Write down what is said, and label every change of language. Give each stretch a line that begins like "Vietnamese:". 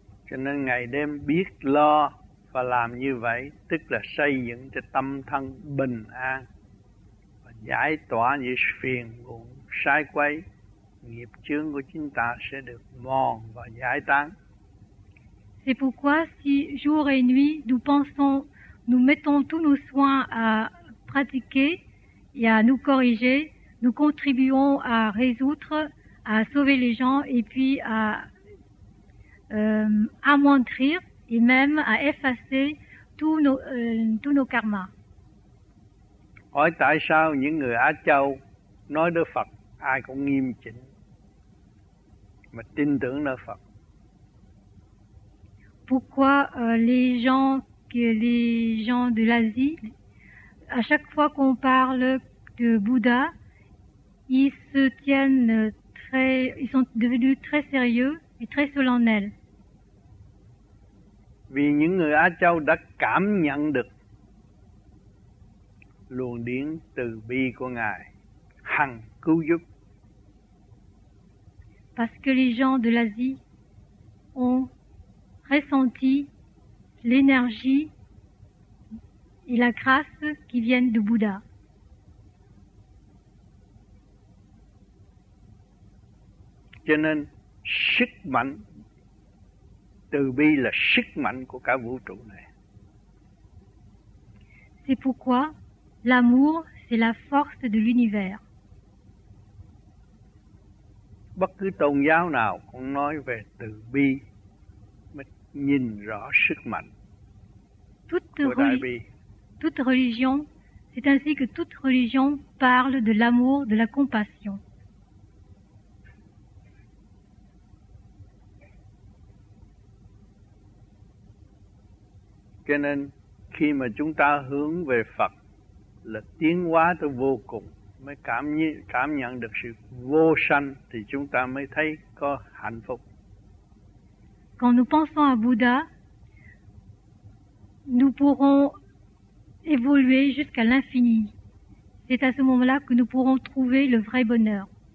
Vietnamese: Cho nên ngày đêm biết lo và làm như vậy, tức là xây dựng cho tâm thân bình an và giải tỏa những phiền muộn sai quấy, nghiệp chướng của chúng ta sẽ được mòn và giải tán.
French: C'est pourquoi si jour et nuit nous pensons, nous mettons tous nos soins à pratiquer et à nous corriger, nous contribuons à résoudre, à sauver les gens et puis à amoindrir et même à effacer tous nos karmas.
Vietnamese: Hỏi tại sao những người Á Châu nói đức Phật ai cũng nghiêm chỉnh mà tin tưởng nơi Phật?
French: Pourquoi les gens de l'Asie, à chaque fois qu'on parle de Bouddha, ils se tiennent très, ils sont devenus très sérieux et très solennels.
Vietnamese: Vì những người Á Châu đã cảm nhận được luồng điển từ bi của Ngài hằng cứu giúp.
French: Parce que les gens de l'Asie ont ressenti l'énergie et la grâce qui viennent de Bouddha.
Vietnamese: Cho nên sức mạnh từ bi là sức mạnh của cả vũ trụ này.
French: C'est pourquoi l'amour c'est la force de l'univers.
Vietnamese: Bất cứ tôn giáo nào cũng nói về từ bi mới nhìn rõ sức mạnh của đại bi.
French: Toute religion, c'est ainsi que toute religion parle de l'amour, de la compassion.
Vietnamese: Cho nên khi mà chúng ta hướng về Phật là tiến hóa tới vô cùng, mới cảm nhận được sự vô sanh thì chúng ta mới thấy có hạnh phúc.
French: Quand nous pensons à Bouddha, nous pourrons évoluer jusqu'à l'infini. C'est à ce moment-là que nous pourrons trouver le vrai bonheur.